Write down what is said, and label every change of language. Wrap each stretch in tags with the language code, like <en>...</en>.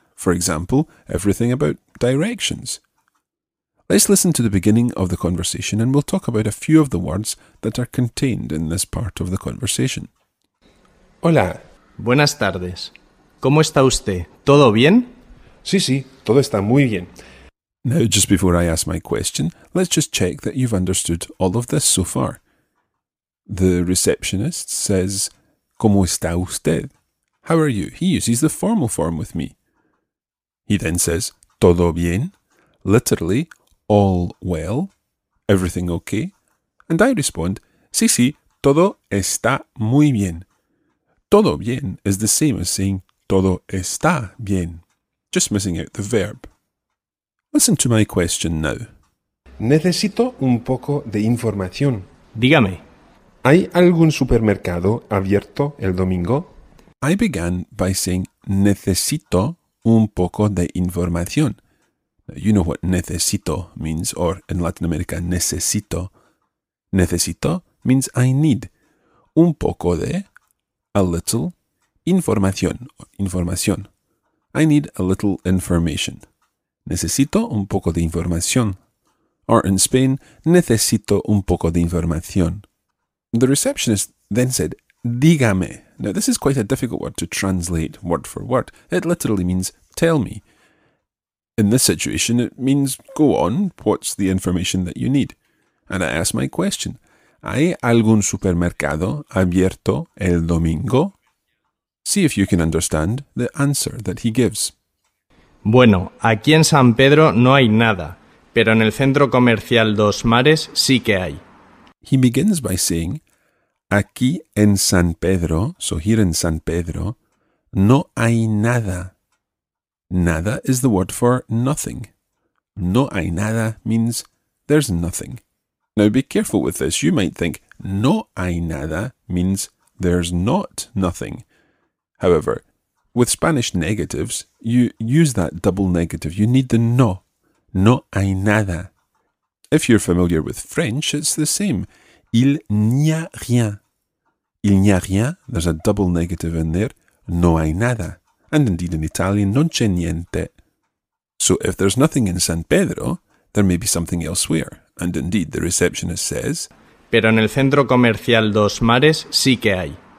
<en>For example, everything about directions. Let's listen to the beginning of the conversation and we'll talk about a few of the words that are contained in this part of the conversation.</en> <es>Hola. Buenas tardes. ¿Cómo está usted? ¿Todo bien? Sí, sí, todo está muy bien.</es> <en>Now, just before I ask my question, let's just check that you've understood all of this so far. The receptionist says,</en> <es>¿Cómo está usted?</es> <en>How are you? He uses the formal form with me. He then says,</en> <es>¿Todo bien?</es> <en>Literally, all well, everything okay. And I respond,</en> <es>sí, sí, todo está muy bien. todo bien</es> <en>is the same as saying</en> <es>todo está bien,</es> <en>just missing out the verb. Listen to my question now.</en> <es>Necesito un poco de información. Dígame. ¿Hay algún supermercado abierto el domingo?</es> <en>I began by saying</en> <es>necesito un poco de información.</es> <en>You know what necesito means, or in Latin America, necesito. Necesito means I need. Un poco de, a little, información, información. I need a little information.</en> <es>Necesito un poco de información.</es> <en>Or in Spain,</en> <es>necesito un poco de información.</es> <en>The receptionist then said, dígame. Now, this is quite a difficult word to translate word for word. It literally means, tell me. In this situation, it means, go on, what's the information that you need? And I ask my question. ¿Hay algún supermercado abierto el domingo? See if you can understand the answer that he gives.</en> <es>Bueno, aquí en San Pedro no hay nada, pero en el centro comercial Dos Mares sí que hay.</es> <en>He begins by saying,</en> <es>aquí en San Pedro,</es> <en>so here in San Pedro,</en> <es>no hay nada.</es> <en>Nada is the word for nothing. No hay nada means there's nothing. Now be careful with this. You might think</en> <es>no hay nada</es> <en>means there's not nothing. However, with Spanish negatives, you use that double negative. You need the no.</en> <es>No hay nada.</es> <en>If you're familiar with French, it's the same.</en> <fr>Il n'y a rien. Il n'y a rien.</fr> <en>There's a double negative in there.</en> <es>No hay nada.</es> <en>And indeed in Italian,</en> <it>non c'è niente.</it> <en>So if there's nothing in San Pedro, there may be something elsewhere. And indeed, the receptionist says,</en> <es>pero en el centro comercial Dos Mares sí que hay.</es>